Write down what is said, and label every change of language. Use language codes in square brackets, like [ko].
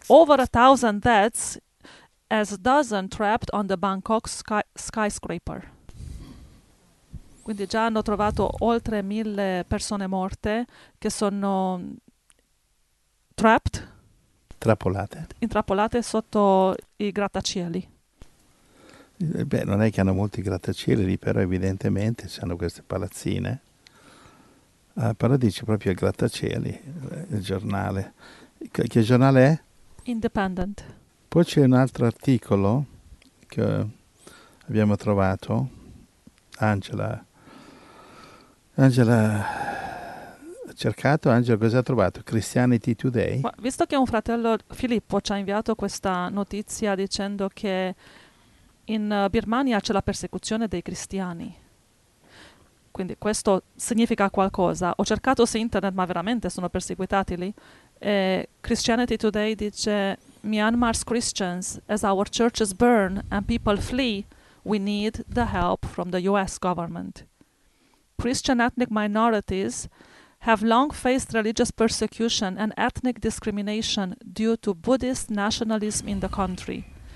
[en] Over 1,000 deaths as dozen trapped on the Bangkok skyscraper. [it] Quindi già hanno trovato oltre 1,000 persone morte che sono trapped. Trappolate. Intrappolate sotto i grattacieli. Beh, non è che hanno molti grattacieli lì, però evidentemente c'hanno queste palazzine. Però dice proprio il grattacieli, il giornale. Che giornale Independent. è? Poi c'è un altro articolo che abbiamo trovato. Angela cercato, Angelo, cosa ha trovato? Christianity Today? Visto che un fratello Filippo ci ha inviato questa notizia dicendo che in Birmania c'è la persecuzione dei cristiani, quindi questo significa qualcosa. Ho cercato su internet, ma veramente sono perseguitati lì. [en] E Christianity Today dice: Myanmar's Christians, as our churches burn and people flee, we need the help from the US government. Christian ethnic minorities have long faced religious persecution and ethnic discrimination due to Buddhist nationalism in the country.